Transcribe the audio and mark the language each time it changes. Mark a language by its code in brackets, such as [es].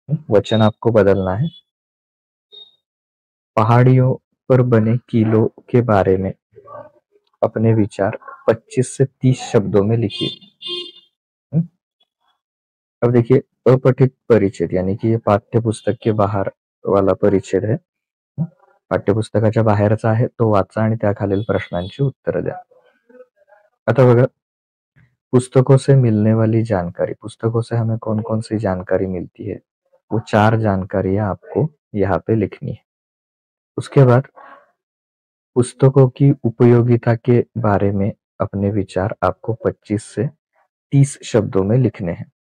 [hi] वचन आपको बदलना है. पहाड़ियों पर बने किलों के बारे में अपने विचार 25 से 30 शब्दों में लिखिए. अब देखिए, अपठित परिच्छेद यानी कि ये पाठ्य पुस्तक के बाहर वाला परिच्छेद है, [mr] पाठ्यपुस्तकाच्या बाहेरचा आहे, तो वाचा आणि त्या खालील प्रश्नांची उत्तर द्या. आता बघा, [hi] पुस्तकों से मिलने वाली जानकारी, पुस्तकों से हमें कौन कौन सी जानकारी मिलती है, वो चार जानकारियां आपको यहाँ पे लिखनी है. उसके बाद पुस्तकों की उपयोगिता के बारे में अपने विचार आपको 25 से 30 शब्दों में लिखने हैं.